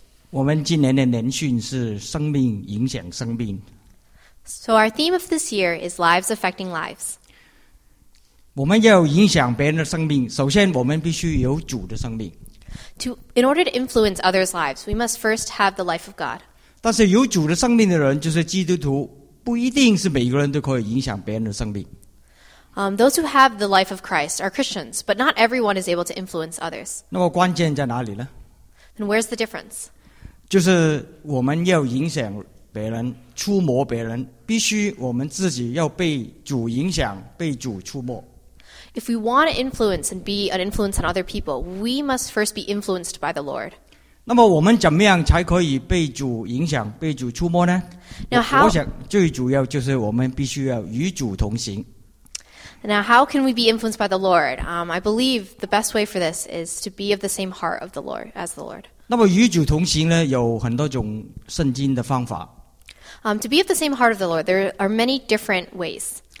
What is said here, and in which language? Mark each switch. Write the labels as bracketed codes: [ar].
[zh] 我们今年的年训是生命影响生命。 [en] So our theme of this year is lives affecting lives. [zh] 我们要影响别人的生命，首先我们必须有主的生命。 [en] In order to influence others' lives, we must first have the life of God. [zh] 但是有主的生命的人就是基督徒，不一定是每个人都可以影响别人的生命。 [en] Those who have the life of Christ are Christians, but not everyone is able to influence others. [zh] 那么关键在哪里呢？ [en] Then where's the difference? [zh] 就是我们要影响别人，触摸别人，必须我们自己要被主影响，被主触摸。 [en] If we want to influence and be an influence on other people, we must first be influenced by the Lord. [zh] 那么我们怎么样才可以被主影响，被主触摸呢？ [en] Now, how? [zh] 我想最主要就是我们必须要与主同行。 [en] Now, how can we be influenced by the Lord? I believe the best way for this is to be of the same heart of the Lord as the Lord. [zh] 那么与主同行呢，有很多种圣经的方法。 [en] To be of the same heart of the Lord, there are many different ways.